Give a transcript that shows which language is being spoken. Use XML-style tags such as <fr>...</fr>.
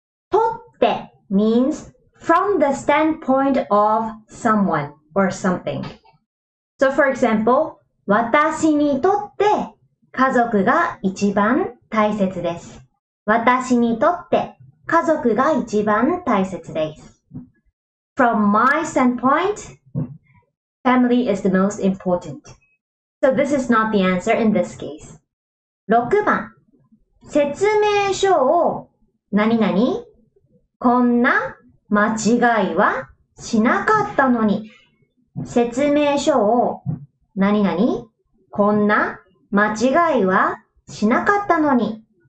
<en>とって means from the standpoint of someone or something. So for example,</en> <ja>私にとって家族が一番大切です。私にとって家族が一番大切です。</ja> <en>From my standpoint, family is the most important. So this is not the answer in this case.</en> <ja>6番、説明書を何々、こんな間違いはしなかったのに、説明書を何々、こんな間違いはしなかったのに。</ja>